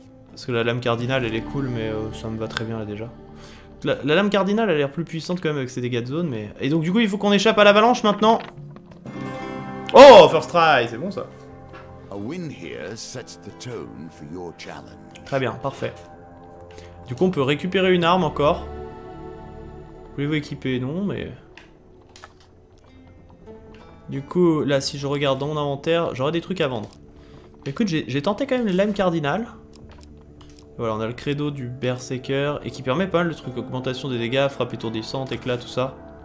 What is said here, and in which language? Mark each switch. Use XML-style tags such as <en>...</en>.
<fr>Parce que la lame cardinale elle est cool, mais ça me va très bien là déjà. La lame cardinale elle a l'air plus puissante quand même avec ses dégâts de zone, mais. Et donc du coup il faut qu'on échappe à l'avalanche maintenant.</fr> <en>Oh, first try,</en> <fr>c'est bon ça.</fr> <en>A win here sets the tone for your challenge.</en> <fr>Très bien, parfait. Du coup on peut récupérer une arme encore. Voulez-vous équiper? Non, mais. Du coup, là, si je regarde dans mon inventaire, j'aurai des trucs à vendre. Mais écoute, j'ai tenté quand même les lames cardinales. Voilà, on a le credo du Berserker, et qui permet pas mal de trucs. Augmentation des dégâts, frappe étourdissante, éclat, tout ça.</fr>